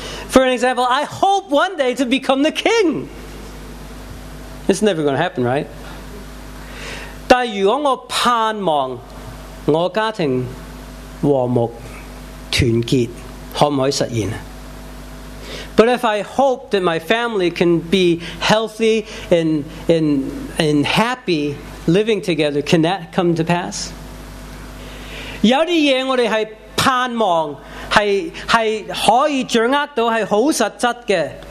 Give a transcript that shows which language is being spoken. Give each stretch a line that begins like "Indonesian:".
English: For an example, I hope one day to become the king. It's never going to happen, right?
Cantonese: 但如果我盼望我家庭和睦团结，可唔可以实现？
English: But if I hope that my family can be healthy and happy living together, can that come to pass?
Cantonese: 有啲嘢我哋系盼望，系可以掌握到，系好实质嘅。